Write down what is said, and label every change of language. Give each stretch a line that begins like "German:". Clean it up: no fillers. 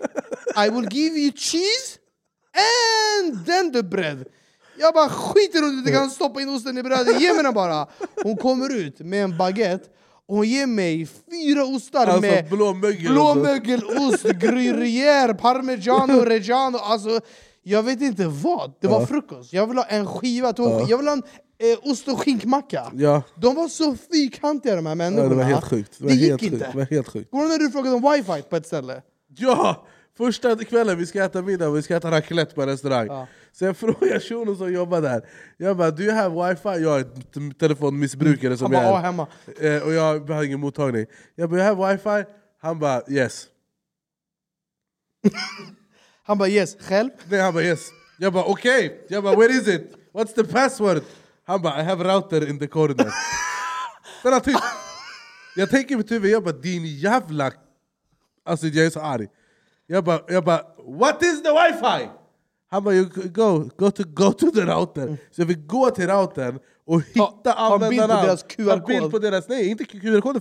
English: Okay, I will give you cheese and then the bread.
Swedish: Jag bara, skiter om du inte kan stoppa in osten i brödet. Ge mig den bara. Hon kommer ut med en baguette. Och hon ger mig 4 ostar alltså, med blåmögel, ost, gruyère, parmesan och reggiano. Alltså, jag vet inte vad. Det var frukost. Jag vill ha en skiva. Jag vill ha en ost- och skinkmacka. Ja. De var så fyrkantiga, de här människorna. Det var helt sjukt. Det gick inte. Går det när du frågade om wifi på ett ställe? Ja! Första kvällen vi ska äta middag och vi ska äta raclette på en restaurang. Ja. Sen frågar jag Shono som jobbar där. Jag bara,
English: do you have wifi?
Swedish: Jag är en telefonmissbrukare som bara, jag är. Hemma. Och jag har ingen mottagning. Jag bara,
English: you have wifi?
Swedish: Han bara,
English: yes.
Swedish: Han bara,
English: yes.
Swedish: Själv? Nej, han bara,
English: yes.
Swedish: Jag bara, okej.
English: Okay.
Swedish: Jag bara,
English: where is it? What's the password? Han bara, I have router in the corner.
Swedish: Den har tyst. Jag tänker mig tyvärr, jag bara, din jävla... Alltså, jag är så arg. Jag bara,
English: what is the wifi?
Swedish: Han bara,
English: go to the router.
Swedish: Så jag vill gå till routern och hitta användarna. Ta bild på deras, nej, inte QR-koden,